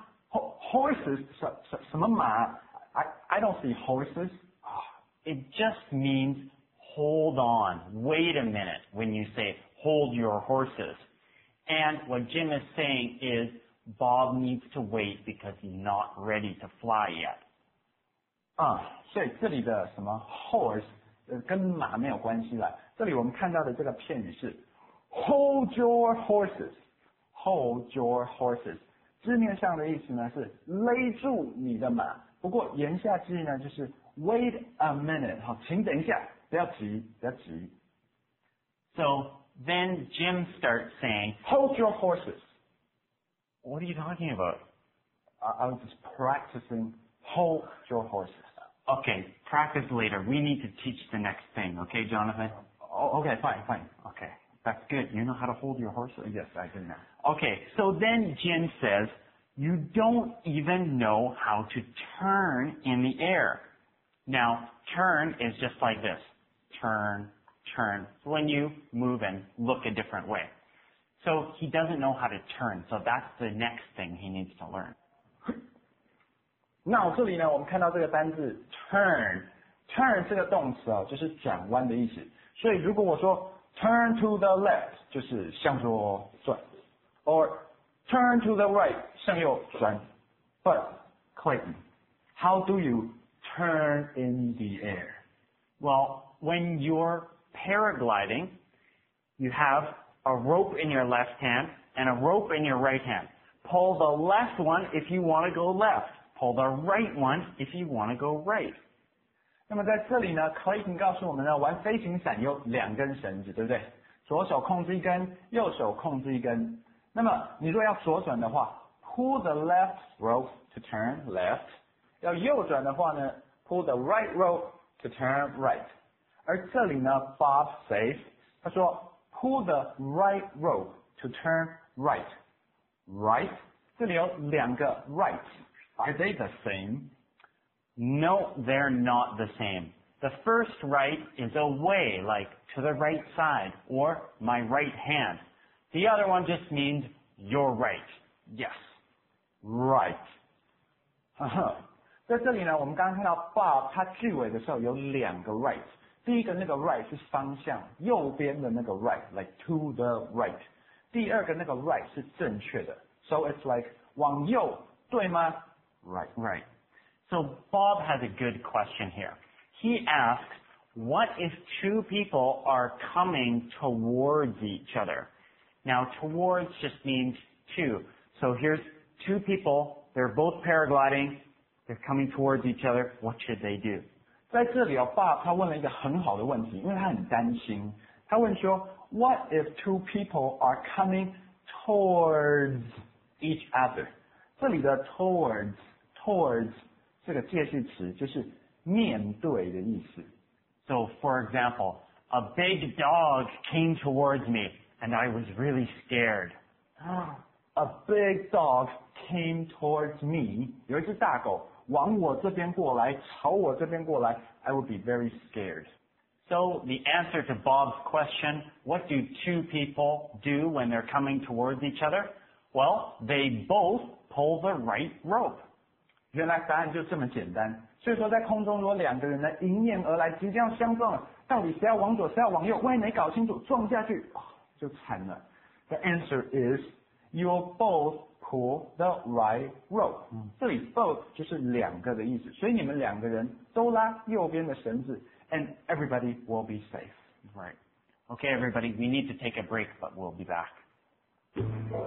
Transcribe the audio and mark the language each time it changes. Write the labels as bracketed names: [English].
[English] Horses? [Chinese] 什么马? [English] I don't see horses. It just means... Hold on, wait a minute when you say hold your horses. And what Jim is saying is Bob needs to wait because he's not ready to fly yet. [Chinese] 所以这里的什么 horse 跟马没有关系了。这里我们看到的这个片语是 [English] hold your horses. Hold your horses. [Chinese] 字面上的意思呢是勒住你的马。不过言下之意呢就是 [English] wait a minute, [Chinese] 好请等一下。不要急，不要急。 [English] So then Jim starts saying, "Hold your horses." What are you talking about? I was just practicing. Hold your horses. Okay, practice later. We need to teach the next thing. Okay, Jonathan. Okay, fine. Okay, that's good. You know how to hold your horses? Yes, I do now. Okay, so then Jim says, "You don't even know how to turn in the air." Now, turn is just like this. Turn, turn, when you move and look a different way. So he doesn't know how to turn, so that's the next thing he needs to learn. [Chinese] Now, 这里呢我们看到这个单字 turn. Turn 这个动词、就是转弯的意思。所以如果我说 [English] turn to the left, [Chinese] 就是向左转。 [English] Or turn to the right, [Chinese] 向右转。 [English] But, Clayton, how do you turn in the air? Well,When you're paragliding, you have a rope in your left hand and a rope in your right hand. Pull the left one if you want to go left. Pull the right one if you want to go right. [Chinese] 那么在这里呢 ,Clayton 告诉我们呢玩飞行伞有两根绳子对不对左手控制一根右手控制一根。那么你若要左转的话 [English] ,pull the left rope to turn left. [Chinese] 要右转的话呢 [English] ,pull the right rope to turn right. [Chinese] 而这里呢 [English] Bob says, [Chinese] 他说 [English] pull the right rope to turn right. Right? [Chinese] 这里有两个 [English] right. Are they the same? No, they're not the same. The first right is away, like to the right side, or my right hand. The other one just means your right. Yes. Right. [Chinese] Uh-huh. 在这里呢，我们刚刚看到 Bob 他句尾的时候有两个 right。第一个那个 right 是方向，右边的那个 right, [English] like to the right。 [Chinese] 第二个那个 right 是正确的。 [English] So it's like [Chinese] 往右，对吗？ [English] Right, right. So Bob has a good question here. He asks, what if two people are coming towards each other? Now, towards just means two. So here's two people, they're both paragliding, they're coming towards each other, what should they do? [Chinese] 在这里哦 ,Bob 他问了一个很好的问题，因为他很担心。他问说 [English] ,What if two people are coming towards each other? [Chinese] 这里的 towards 这个介系词就是面对的意思。 [English] So, for example, a big dog came towards me and I was really scared. A big dog came towards me, [Chinese] 有一只大狗。往我这边过来，朝我这边过来， [English] I would be very scared. So the answer to Bob's question, what do two people do when they're coming towards each other? Well, they both pull the right rope. [Chinese] 原来答案就这么简单。所以说在空中如果两个人呢迎面而来，即将相撞了，到底谁要往左，谁要往右，万一没搞清楚，撞下去，就惨了。 [English] The answer is, you're both,Pull the right rope.、 [Chinese] 这里 both 就是两个的意思，所以你们两个人都拉右边的绳子 [English] ，and everybody will be safe. Right. Okay, everybody, we need to take a break, but we'll be back.